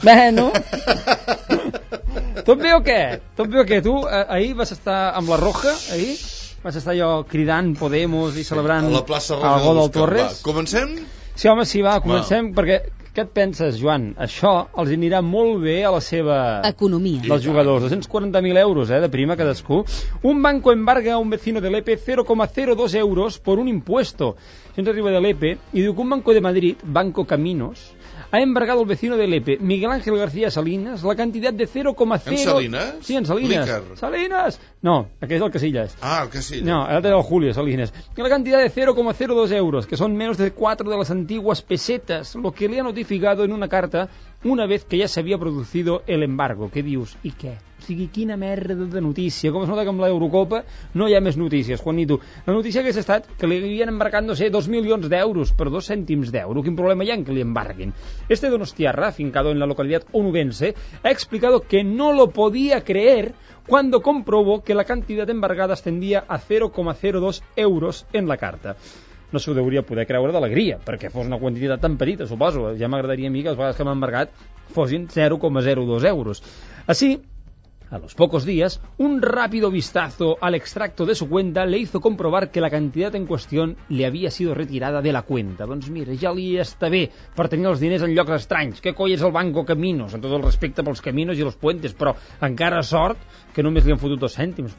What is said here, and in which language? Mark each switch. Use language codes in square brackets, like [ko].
[ca] Bueno. Tot bé o què? Tu ahir vas estar amb la Roja, ahir? Vas estar allò cridant Podemos i celebrant a la plaça Reina del Torres. Comencem? Sí, home, sí, va, comencem. Perquè què et penses, Joan? Això els anirà molt bé a la seva... economia. Dels jugadors. 240.000 euros, de prima cadascú. [es] Un banco embarga a un vecino de l'EPE 0,02 euros por un impuesto. [ca] Això ens arriba de l'EPE i diu que [es] un banco de Madrid, Banco Caminos, ha embargado al vecino de l'EPE, Miguel Ángel García Salinas, la cantidad de 0,0... [ca] En Salinas? Sí, en Salinas. Líker. Salinas! No, aquest és el Casillas. Ah, el Casillas. No, el del Julio Salinas. [es] La cantidad de 0,02 euros, que son menos de 4 de las antiguas pesetas, lo que le ha notificado en una carta una vez que ya se había producido el embargo. [ca] Què dius? I què? O sigui, quina merda de notícia. Com es nota que amb l'Eurocopa no hi ha més notícies, quan ni tu. La notícia hauria estat que li havien embarcat, no sé, 2 milions d'euros per 2 cèntims d'euro. Quin problema hi ha en que li embarguin? [es] Este donostiarra, afincado en la localidad onubense, ha explicado que no lo podía creer cuando comprobó que la cantidad embargada ascendía a 0,02 euros en la carta. [ca] No s'ho deuria poder creure d'alegria, perquè fos una quantitat tan petita, suposo. Ja m'agradaria a mi que les vegades que m'han embargat fossin 0,02 euros. [es] Així, a los pocos días, un rápido vistazo al extracto de su cuenta le hizo comprobar que la cantidad en cuestión le había sido retirada de la cuenta. [ca] Doncs mira, ja li està bé per tenir els diners en llocs estranys. Què coi és el Banco Caminos, amb tot el respecte pels caminos i els puentes, però encara sort que només li han fotut 2 cèntims.